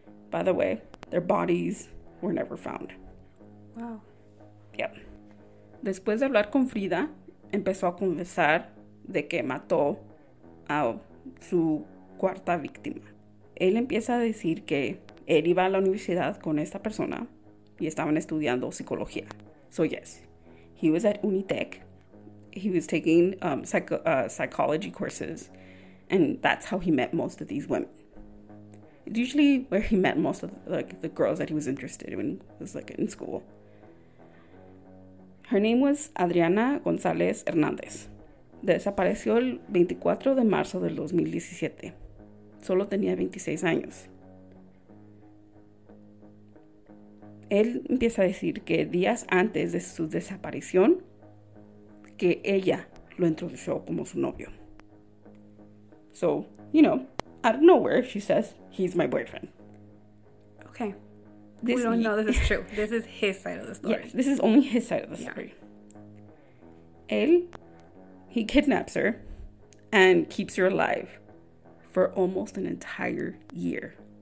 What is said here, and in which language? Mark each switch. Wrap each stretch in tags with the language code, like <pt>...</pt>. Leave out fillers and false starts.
<en>By the way, their bodies were never found. Wow. Yep.</en> <es>Después de hablar con Frida, empezó a confesar de que mató a su cuarta víctima. Él empieza a decir que él iba a la universidad con esta persona y estaban estudiando psicología.</es> <en>So yes, he was at Unitec. He was taking psychology courses, and that's how he met most of these women. It's usually where he met most of the girls that he was interested in when he was in school. Her name was Adriana González Hernández.</en> <es>Desapareció el 24 de marzo del 2017. Solo tenía 26 años. Él empieza a decir que días antes de su desaparición, que ella lo introdujo como su novio.</es> <en>So, you know, out of nowhere, she says, he's my boyfriend. Okay. This, we don't know this is true. This is his side of the story. Yes, this is only his side of the story. Yeah. Él, he kidnaps her and keeps her alive for almost an entire year.</en>